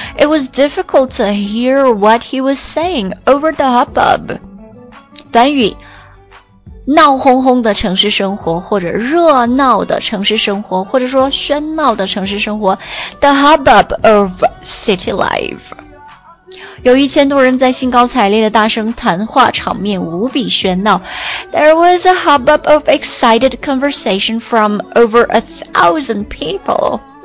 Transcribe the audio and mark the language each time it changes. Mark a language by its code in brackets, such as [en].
[en] It was difficult to hear what he was saying over the hubbub. [zh] 短语，闹哄哄的城市生活，或者热闹的城市生活，或者说喧闹的城市生活。 [en] The hubbub of city life. [zh] 有一千多人在兴高采烈的大声谈话，场面无比喧闹。 [en] There was a hubbub of excited conversation from over 1,000 people.